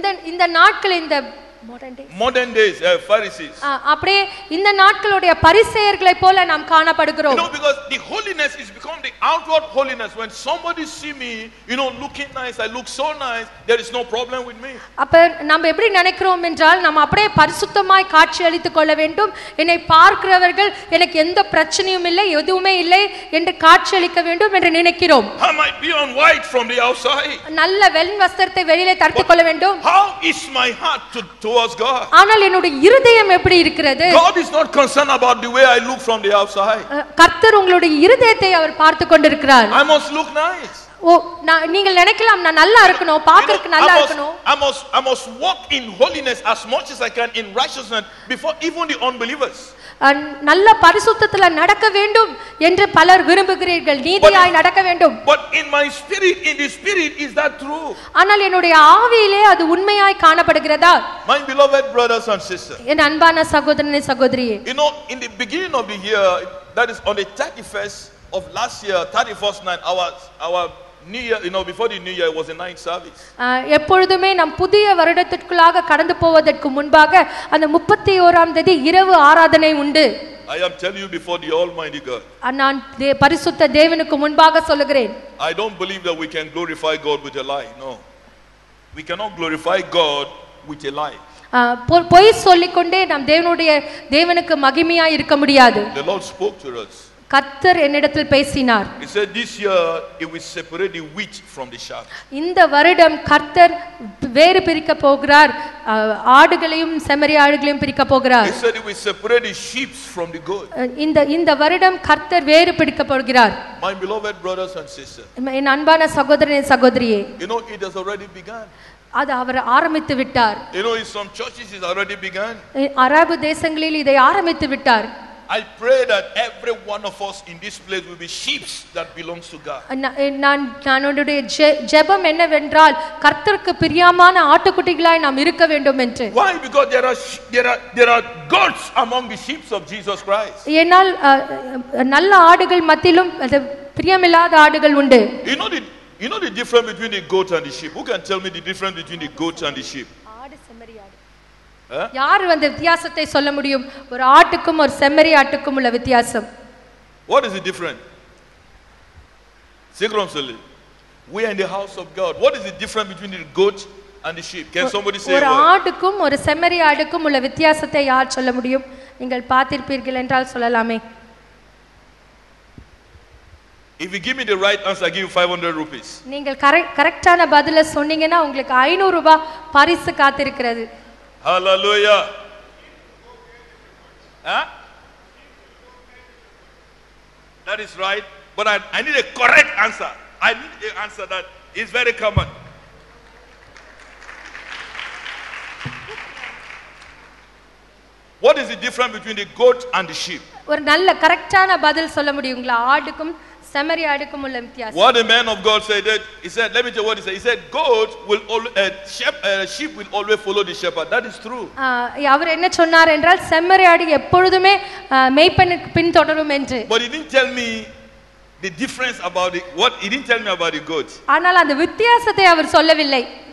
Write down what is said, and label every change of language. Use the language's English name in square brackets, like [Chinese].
[Tamil] இந்த நாட்கள் இந்த [English] modern days Pharisees, [Tamil] அப்படியே இந்த நாட்களுடைய பரிசேயர்களை போல நாம் காணப்படுகிறோம். [English] You know, because the holiness is become the outward holiness. When somebody see me, you know, looking nice, I look so nice, there is no problem with me. [Tamil] அப்ப நாம் எப்படி நினைக்கிறோம் என்றால், நாம் அப்படியே பரிசுத்தமாய் காட்சி அளித்துக் கொள்ள வேண்டும், என்னை பார்க்கிறவர்கள் எனக்கு எந்த பிரச்சனையும் இல்லை, எதுவுமே இல்லை என்று காட்சி அளிக்க வேண்டும் என்று நினைக்கிறோம். [English] I might be on white from the outside, [Tamil] நல்ல வெள்ளை வஸ்திரத்தை வெளியிலே தரித்துக் கொள்ள வேண்டும். [English] How is my heart to was God? [Tamil] ஆனால் என்னுடைய இருதயம் எப்படி இருக்கிறது? [English] God is not concerned about the way I look from the outside. [Tamil] கர்த்தர் உங்களுடைய இருதயத்தை அவர் பார்த்து கொண்டிருக்கிறார். [English] I must look nice. [Tamil] ஓ, நான் நீங்கள் நினைக்கலாம் நான் நல்லா இருக்கணும், பார்க்கறதுக்கு நல்லா இருக்கணும். [English] I must walk in holiness as much as I can in righteousness before even the unbelievers. [Tamil] நல்ல பரிசுத்தத்தில் நடக்க வேண்டும் என்று பலர் விரும்புகிறீர்கள், நீதியாய் நடக்க வேண்டும். [English] But in my spirit, in the spirit, is that true? [Tamil] ஆனால் என்னுடைய ஆவியிலே அது உண்மையாய் காணப்படுகிறதா? [English] My beloved brothers and sisters, [Tamil] என் அன்பான சகோதரனே சகோதரியே, [English] you know, in the beginning of the year, that is on the 31st of last year, 31st night, our new year, you know, before the new year, it was a night service. [Tamil] எப்பொழுதுமே நம் புதிய வருடத்திற்குள்ளாக கடந்து போவதற்கு முன்பாக அந்த 31st தேதி இரவு ஆராதனை உண்டு. [English] I am telling you before the Almighty God, [Tamil] நான் பரிசுத்த தேவனுக்கு முன்பாக சொல்கிறேன், [English] I don't believe that we can glorify God with a lie. No, we cannot glorify God with a lie. [Tamil] பொய் சொல்லிக்கொண்டே நாம் தேவனுடைய தேவனுக்கு மகிமையாய் இருக்க முடியாது. [English] The Lord spoke to us. [Tamil] கர்த்தர் என்னிடத்தில் பேசினார். [English] He said this year it will separate the wheat from the chaff. [Tamil] இந்த வருடம் கர்த்தர் வேறு பிரிக்க போகிறார், ஆடுகளையும் செம்மறி ஆடுகளையும் பிரிக்க போகிறார். [English] He said it will separate the sheep from the goat. [Tamil] இந்த வருடம் கர்த்தர் வேறு பிரிக்க போகிறார். [English] My beloved brothers and sisters, [Tamil] என் அன்பான சகோதரனே சகோதரியே, [English] you know, it has already begun. [Tamil] அது அவர் ஆரம்பித்து விட்டார். [English] You know, some churches has already begun. [Tamil] அரபு தேசங்களில் இதை ஆரம்பித்து விட்டார். [English] I pray that every one of us in this place will be sheep that belongs to God. [Tamil] நானுடைய ஜெபம் என்னவென்றால், கர்த்தருக்கு பிரியமான ஆட்டுக்குட்டிகளாய் நாம் இருக்க வேண்டும் என்று. [English] Why? Because there are goats among the sheep of Jesus Christ. [Tamil] ஏனால் நல்ல ஆடுகள் மத்தியிலும் பிரியமில்லாத ஆடுகள் உண்டு. [English] You know the difference between the goat and the sheep? Who can tell me the difference between the goat and the sheep? [Tamil] ஆடு செம்மறி ஆடு. யார் வந்த வித்தியாசத்தை சொல்ல முடியும்? ஒரு ஆட்டுக்கும் ஒரு செம்மறி ஆட்டுக்கும் உள்ள வித்தியாசம். [English] What is the difference? [Tamil] சீக்கிரம் சொல்லு. [English] We are in the house of God. What is the difference between the goat and the sheep? Can somebody say? [Tamil] ஒரு ஆட்டுக்கும் ஒரு செம்மறி ஆடுக்கும் உள்ள வித்தியாசத்தை யார் சொல்ல முடியும்? நீங்கள் பார்த்திருப்பீர்கள் என்றால் சொல்லலாமே. [English] If you give me the right answer, I give you 500 rupees. [Tamil] நீங்கள் கரெக்ட்டான பதில சொன்னீங்கனா உங்களுக்கு 500 ரூபாய் பரிசு காத்திருக்கிறது. [English] Hallelujah. That is right, but I need a correct answer. I need an answer that is very common. What is the difference between the goat and the sheep? [Tamil] ஒரு நல்ல கரெக்ட்டான பதில் சொல்ல முடியுங்களா? ஆடுக்கும் செம்மறி ஆடுக்கும் உள்ள வித்தியாசம். [English] What the man of God said that he said, let me tell you what he said. He said goat will always sheep will always follow the shepherd. That is true. [Tamil] அவர் என்ன சொன்னார் என்றால் செம்மறி ஆடு எப்பொழுதே மேய்ப்பனுக்கு பின் தொடரும் என்று. [English] But he didn't tell me the difference about the what he didn't tell me about the goat. [Tamil] ஆனால் அந்த வித்தியாசத்தை அவர் சொல்லவில்லை.